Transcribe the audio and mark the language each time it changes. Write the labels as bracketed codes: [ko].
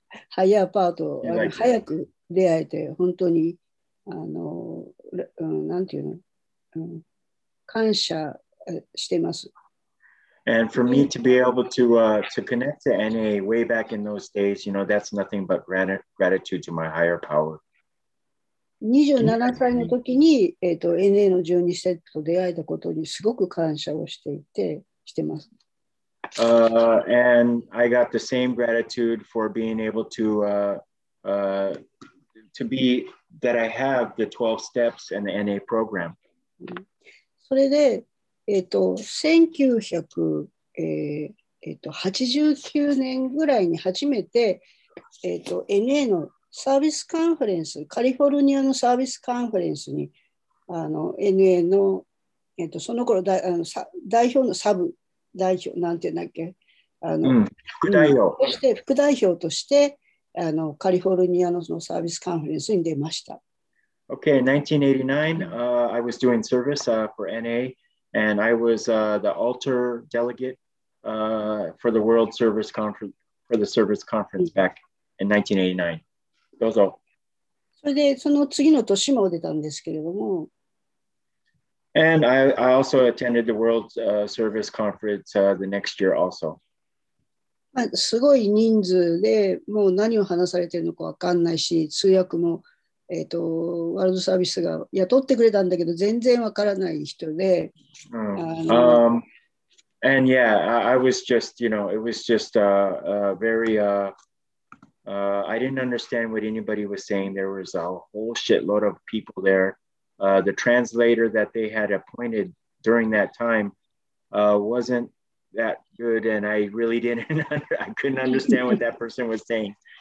[ja] 早パート、早く出会えて、本当に、なんていうの、感謝してます。 [en] And for me to be able to connect to NA way back in those days, you know, that's nothing but gratitude to my higher power. [ja] 27歳の時に、NA の12セットと出会えたことにすごく感謝をしていて、してます。 [en] And I got the same gratitude for being able to be, that I have the 12 steps and the NA program. [ja] それで、1989年ぐらいに初めて、NA のサービスカンファレンス、カリフォルニアのサービスカンファレンスに、NA の、その頃だ、代表のサブ代表、なんて言うんだっけ、副代表。そして副代表として、カリフォルニア の, そのサービスカンファレンスに出ました。 [en] Okay, 1989, I was doing service for NA. And I was the altar delegate for the World Service Conference, for the Service Conference back in 1989. [ja] どうぞ。それでその次の年も出たんですけれども。 [en] And I also attended the World Service Conference the next year also. [ja] まあ、すごい人数でもう何を話されてるのかわかんないし、通訳も、ワールドサービスが雇ってくれたんだけど全然わからない人で、 [en] and yeah, I was just, you know, it was just very, I didn't understand what anybody was saying. There was a whole shitload of people there. The translator that they had appointed during that time wasn't that good, and I really didn't, I couldn't understand what that person was saying.